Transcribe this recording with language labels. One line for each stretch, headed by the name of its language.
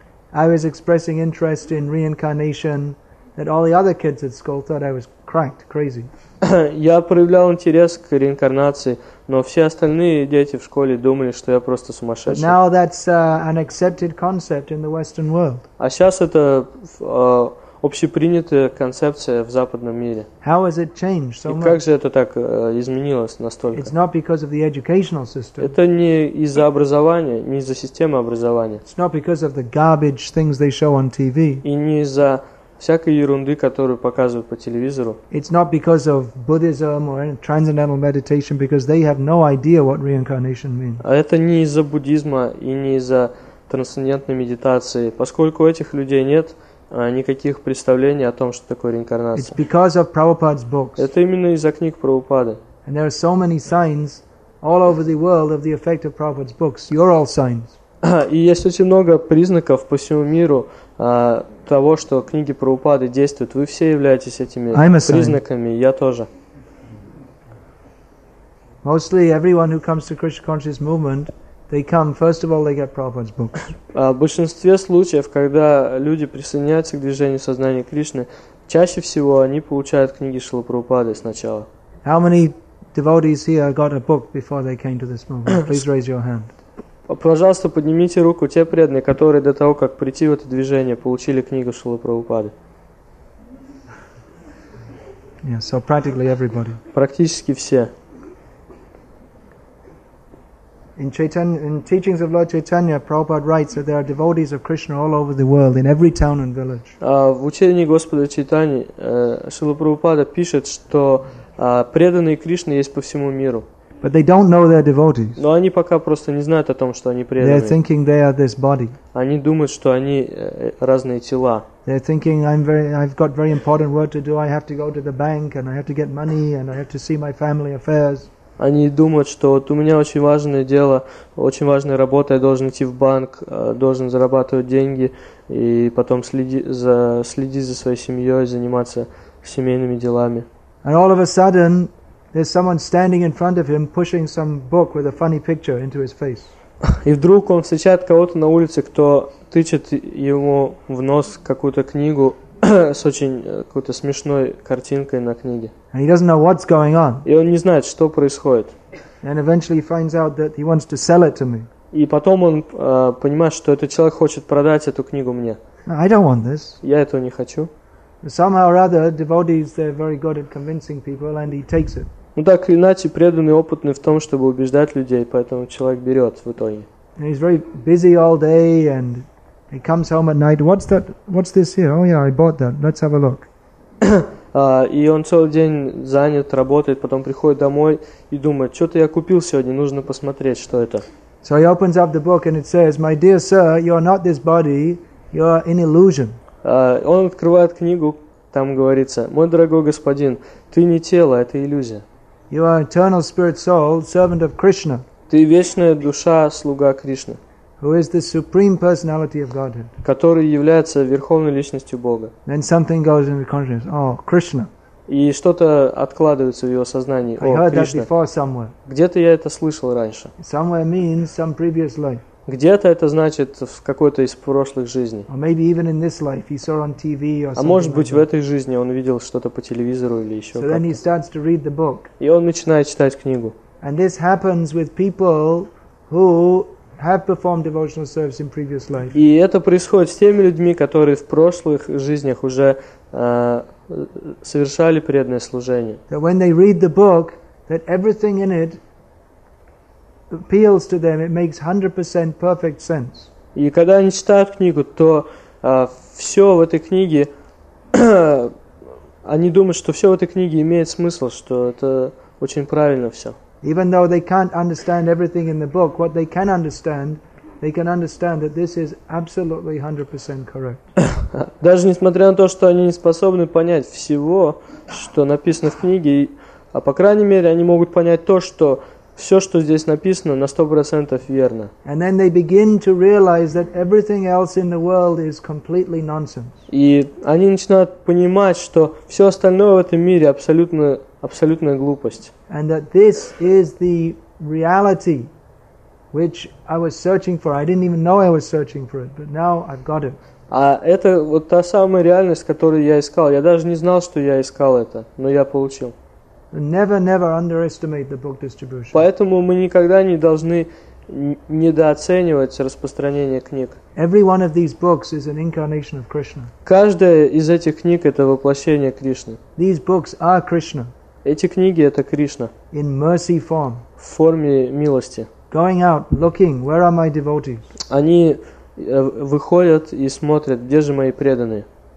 English: I was expressing interest in reincarnation that all the other kids at school thought I was cracked, crazy.
Russian: Я проявлял интерес к реинкарнации, но все остальные дети в школе думали, что я просто сумасшедший.
English: Now that's an accepted concept in the Western world.
Russian: А сейчас это общепринятая концепция в западном мире.
English: How has it changed so much?
Russian: И как же это так изменилось настолько?
English: It's not because of the educational system.
Russian: Это не из-за образования, не из-за системы образования.
English: It's not because of the garbage things they show on TV.
Russian: И не из-за всякой ерунды, которую показывают по телевизору.
English: It's not because of Buddhism or transcendental meditation, because they have no idea what reincarnation means.
Russian: А это не из-за буддизма и не из-за трансцендентной медитации, поскольку у этих людей нет никаких представлений о том, что такое реинкарнация.
English: It's because of Prabhupada's books.
Russian: Это именно из-за книг Прабхупады.
English: And there are so many signs all over the world of the effect of Prabhupada's books. You're all signs.
Russian: И есть очень много признаков по всему миру того, что книги Прабхупады действуют. Вы все являетесь этими признаками, я тоже.
English: Mostly everyone who comes to Krishna consciousness movement, they come, first of all, they get Prabhupada's books.
Russian: В большинстве случаев, когда люди присоединяются к движению сознания Кришны, чаще всего они получают книги Шрилы Прабхупады сначала.
English: How many devotees here got a book before they came to this movement? Please raise your hand.
Russian: Пожалуйста, поднимите руку те преданные, которые до того, как прийти в это движение, получили книгу Шрилы Прабхупады.
English: Yeah, so practically everybody.
Russian: Практически все.
English: In teachings of Lord Chaitanya, Prabhupada writes that there are devotees of Krishna all over the world, in every town and village.
Russian: В учении Господа Чайтани Шрила Прабхупада пишет, что преданные Кришны есть по всему миру.
English: But they don't know they're devotees.
Russian: Но они пока просто не знают о том, что они преданные.
English: They're thinking they are this body.
Russian: Они думают, что они разные тела.
English: They're thinking I've got very important work to do. I have to go to the bank and I have to get money and I have to see my family affairs.
Russian: Они думают, что вот у меня очень важное дело, очень важная работа, я должен идти в банк, должен зарабатывать деньги и потом следить за своей семьей, заниматься семейными делами.
English: And all of a sudden there's someone standing in front of him pushing some book with a funny picture into his face.
Russian: И вдруг он встречает кого-то на улице, кто тычет ему в нос какую-то книгу с очень какой-то смешной картинкой на книге.
English: And he doesn't know what's going on.
Russian: И он не знает, что происходит.
English: And eventually he finds out that he wants to sell it to me.
Russian: И потом он понимает, что этот человек хочет продать эту книгу мне.
English: I don't want this.
Russian: Я этого не хочу.
English: Somehow or other, devotees, they're very good at convincing people, and he takes it.
Russian: Ну так или иначе, преданные опытны в том, чтобы убеждать людей, поэтому человек берет в итоге.
English: And he's very busy all day, and he comes home at night. What's that? What's this here? Oh yeah, I bought that. Let's have a look.
Russian: И он целый день занят, работает, потом приходит домой и думает, что-то я купил сегодня, нужно посмотреть, что это.
English: So he opens up the book, and it says, "My dear sir, you are not this body. You are an illusion."
Russian: Он открывает книгу, там говорится, «Мой дорогой господин, ты не тело, это иллюзия».
English: You are eternal spirit soul, servant of Krishna.
Russian: Ты вечная душа, слуга Кришны.
English: Who is the supreme personality of Godhead?
Russian: Который является верховной личностью Бога.
English: Then something goes into consciousness. Oh, Krishna.
Russian: И что-то откладывается в его сознании. О, Кришна.
English: I heard that before somewhere.
Russian: Где-то я это слышал раньше.
English: Somewhere means some previous life.
Russian: Где-то это значит в какой-то из прошлых жизней.
English: Or maybe even in this life he saw on TV or something.
Russian: А может быть
English: like that.
Russian: В этой жизни он видел что-то по телевизору или еще
English: so
Russian: как-то.
English: Then he starts to read the book.
Russian: И он начинает читать книгу.
English: And this happens with people who have performed devotional service in previous life.
Russian: И это происходит с теми людьми, которые в прошлых жизнях уже совершали преданное служение.
English: That when they read the book, that everything in it appeals to them, it makes 100% perfect sense.
Russian: И когда они читают книгу, то все в этой книге, они думают, что все в этой книге имеет смысл, что это очень правильно все.
English: Even though they can't understand everything in the book, what they can understand that this is absolutely 100% correct.
Russian: Даже несмотря на то, что они не способны понять всего, что написано в книге, а по крайней мере они могут понять то, что все, что здесь написано, на 100% верно.
English: And then they begin to realize that everything else in the world is completely nonsense.
Russian: И они начинают понимать, что все остальное в этом мире абсолютно абсолютная глупость.
English: And that this is the reality which I was searching for. I didn't even know I was searching for it, but now I've got it.
Russian: А это вот та самая реальность, которую я искал. Я даже не знал, что я искал это, но я получил.
English: Never underestimate the book distribution.
Russian: Поэтому мы никогда не должны недооценивать распространение книг.
English: Every one of these books is an incarnation of Krishna.
Russian: Каждая из этих книг это воплощение Кришны.
English: These books are Krishna.
Russian: Эти книги это Кришна.
English: In mercy form.
Russian: В форме милости.
English: Going out, looking, where are my devotees?
Russian: Они выходят и смотрят, где же мои преданные.